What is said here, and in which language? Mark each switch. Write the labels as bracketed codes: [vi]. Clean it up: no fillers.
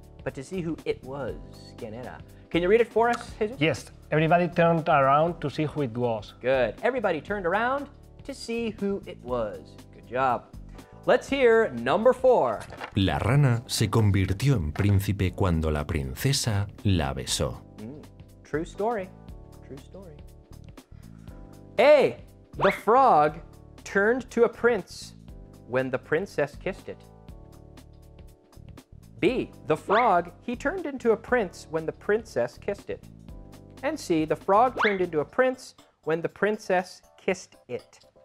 [en] but to see who it was, [es] quién era. [en] Can you read it for us, Jesus? Yes, everybody turned around to see who it was. Good, everybody turned around to see who it was. Good job. Let's hear number four. [es] La rana se convirtió en príncipe cuando la princesa la besó. [en] True story. True story. A. The frog turned to a prince when the princess kissed it. B. The frog, he turned into a prince when the princess kissed it. And C. The frog turned into a prince when the princess kissed it.